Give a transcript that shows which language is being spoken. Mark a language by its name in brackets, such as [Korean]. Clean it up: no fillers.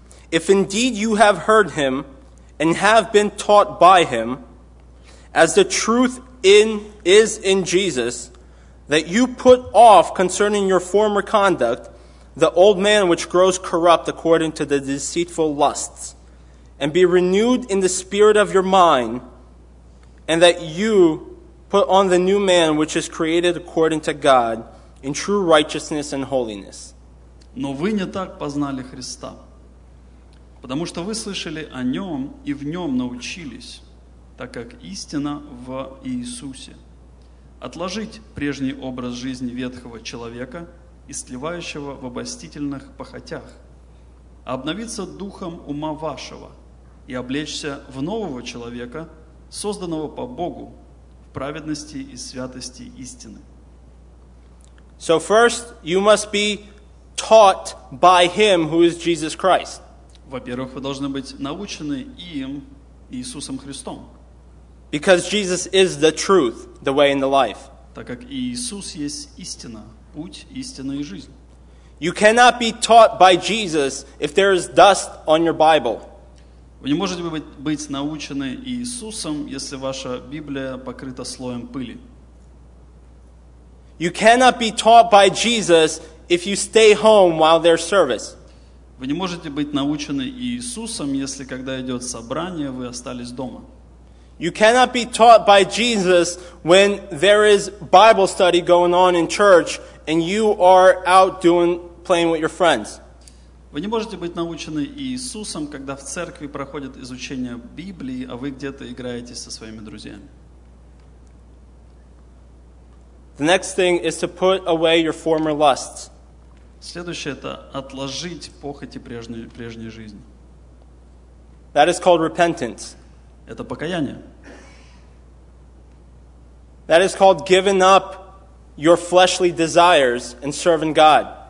[English] If indeed you have heard him and have been taught by him, as the truth is in Jesus, that you put off concerning your former conduct the old man which grows corrupt according to the deceitful lusts, and be renewed in the spirit of your mind, and that you put on the new man which is created according to God in true righteousness and holiness. [Russian] Но вы не так познали Христа, потому что вы слышали о нем и в нем научились, так как истина в Иисусе. Отложить прежний образ жизни ветхого человека, истлевающего в обольстительных похотях, обновиться духом ума вашего и облечься в нового человека, созданного по Богу в праведности и святости истины. [English] So first, you must be taught by him who is Jesus Christ. [Russian] Во-первых, вы должны быть научены им, Иисусом Христом. [English] Because Jesus is the truth, the way and the life. [Russian] Так как Иисус есть истина, путь, истина и жизнь. [English] You cannot be taught by Jesus if there is dust on your Bible. [Russian] Вы не можете быть научены Иисусом, если ваша Библия покрыта слоем пыли. [English] You cannot be taught by Jesus if you stay home while there's service. [Russian] Вы не можете быть научены Иисусом, если когда идет собрание, вы остались дома. [English] You cannot be taught by Jesus when there is Bible study going on in church and you are out doing playing with your friends. [Russian] Вы не можете быть научены Иисусом, когда в церкви проходит изучение Библии, а вы где-то играете со своими друзьями. [English] The next thing is to put away your former lusts. [Russian] Следующее это отложить похоти прежней жизни. [English] That is called repentance. [Russian] Это покаяние. [English] That is called giving up your fleshly desires and serving God.